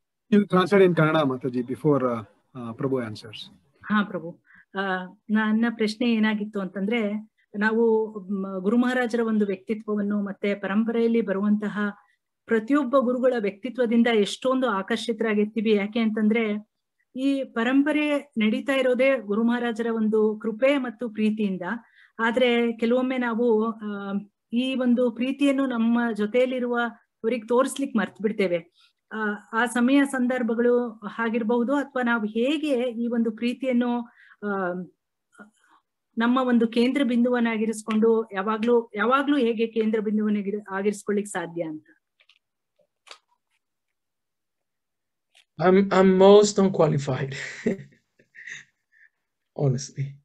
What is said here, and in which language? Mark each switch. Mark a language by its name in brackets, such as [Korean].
[English] You translate in Kannada, Mataji, before Prabhu answers. [Kannada] Haan, Prabhu. Nanna prashne enagittu antandre, naavu Guru Maharajara ondu vyaktitvavannu matte paramparayalli baruvantaha ಪ್ರತಿಯೊಬ್ಬ ಗುರುಗಳ ವ್ಯಕ್ತಿತ್ವದಿಂದ ಎಷ್ಟೊಂದು ಆಕರ್ಷಿತರಾಗಿರ್ತೀವಿ. ಯಾಕೆ ಅಂತಂದ್ರೆ, ಈ ಪರಂಪರೆ ನಡೀತಾ ಇರೋದೇ ಗುರು ಮಹಾರಾಜರ ಒಂದು ಕೃಪೆ ಮತ್ತು ಪ್ರೀತಿಯಿಂದ. ಆದ್ರೆ ಕೆಲವೊಮ್ಮೆ ನಾವು ಈ ಒಂದು ಪ್ರೀತಿಯನ್ನು ನಮ್ಮ ಜೊತೆಯಲ್ಲಿರುವವರಿಗೆ ತೋರಿಸ್ಲಿಕ್ಕೆ ಮರ್ತು ಬಿಡ್ತೇವೆ. ಆ ಸಮಯ ಸಂದರ್ಭಗಳು ಆಗಿರಬಹುದು, ಅಥವಾ ನಾವು ಹೇಗೆ ಈ ಒಂದು ಪ್ರೀತಿಯನ್ನು ನಮ್ಮ ಒಂದು ಕೇಂದ್ರ ಬಿಂದುವನ್ನಾಗಿರಿಸ್ಕೊಂಡು ಯಾವಾಗ್ಲೂ ಹೇಗೆ ಕೇಂದ್ರ ಬಿಂದುವನ್ನಾಗಿರಿಸ್ಕೊಳ್ಳಿಕ್ ಸಾಧ್ಯ ಅಂತ. [English] I'm most unqualified, honestly.